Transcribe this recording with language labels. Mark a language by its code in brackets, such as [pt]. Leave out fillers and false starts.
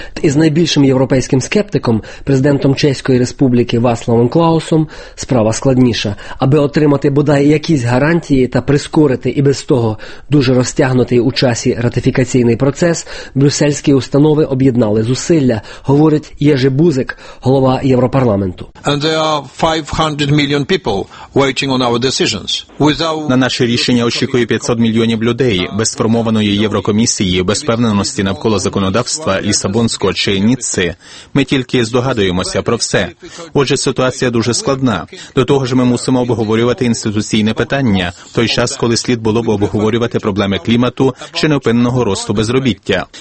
[uk] Із найбільшим європейським скептиком, президентом Чеської Республіки Ваславом Клаусом, справа складніша. Аби отримати, бодай, якісь гарантії та прискорити і без того дуже розтягнутий у часі ратифікаційний процес, брюссельські установи об'єднали зусилля, говорить Єжи Бузик, голова Європарламенту. [en] And there are 500 million people waiting on our decisions. [uk] На наше рішення очікує 500 мільйонів людей. Без сформованої Єврокомісії, без впевненості навколо законодавства Лісабонського чи Ніцци, ми тільки здогадуємося про все. Отже, ситуація дуже складна. До того ж, ми мусимо обговорювати інституційне питання, в той час, коли слід було б обговорювати проблеми клімату чи невпинного росту безробіття.